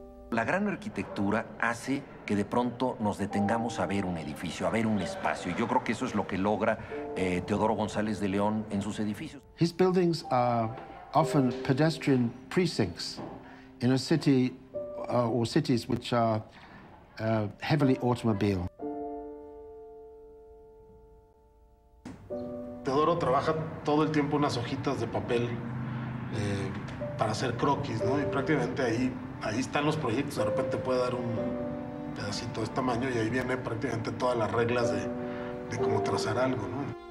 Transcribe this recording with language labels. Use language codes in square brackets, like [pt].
[es] La gran arquitectura hace que de pronto nos detengamos a ver un edificio, a ver un espacio. Y yo creo que eso es lo que logra Teodoro González de León en sus edificios. [en] His buildings are often pedestrian precincts. in a city or cities which are heavily automobile. [es] Teodoro trabaja todo el tiempo unas hojitas de papel para hacer croquis, ¿no? Y prácticamente ahí están los proyectos. De repente puede dar un pedacito de este tamaño y ahí viene prácticamente todas las reglas de cómo trazar algo, ¿no?